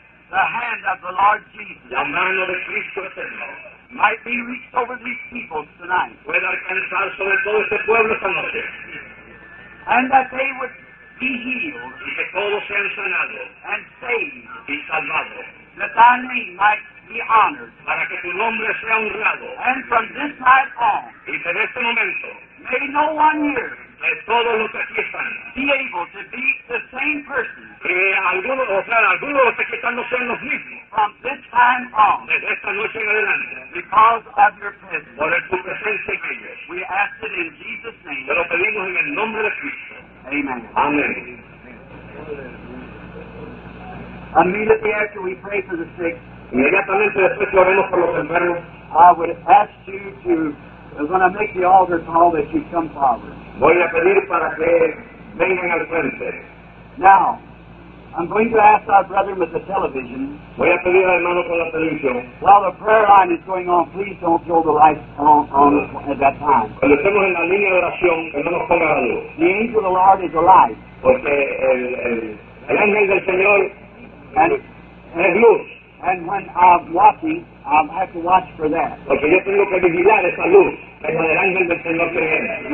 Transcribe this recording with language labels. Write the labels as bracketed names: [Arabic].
[English] the hand of the Lord Jesus, [Spanish] la mano de Cristo eterno, [English] might be reached over these people tonight. [Spanish] Pueda alcanzar sobre todo este pueblo esta noche. [English] And that they would be healed. [Spanish] Y que todos sean sanados. [English] And saved. [Spanish] Y salvados. [English] That thy name might be honored. [Spanish] Para que tu nombre sea honrado. [English] And from this night on, [Spanish] y desde este momento, [English] may no one here, [Spanish] de todos los que aquí están, [English] be able to be the same person, [Spanish] que alguno, o sea, alguno de los que aquí están no sean los mismos, [English] from this time on, [Spanish] desde esta noche en adelante, [English] because of your presence, [Spanish] por tu presencia en ellos, [English] we ask it in Jesus' name, [Spanish] te lo pedimos en el nombre de Cristo. [English] Amen. [Spanish] Amen. [English] Immediately after we pray for the sick, [Spanish] inmediatamente después que oremos por los enfermos, [English] I would ask you to, when I make the altar call, that you come forward. [Spanish] Voy a pedir para que vengan al frente. [English] Now, I'm going to ask our brother with the television, [Spanish] voy a pedir al hermano con la televisión, [English] while the prayer line is going on, please don't throw the lights on at that time. [Spanish] Cuando estemos en la línea de oración, que no nos ponga la luz. [English] The angel of the Lord is alive. [Spanish] Porque el ángel del Señor, [English] and, and when I'm watching, I have to watch for that. [Spanish] Porque yo tengo que vigilar esa luz. Es la del ángel del Señor que viene.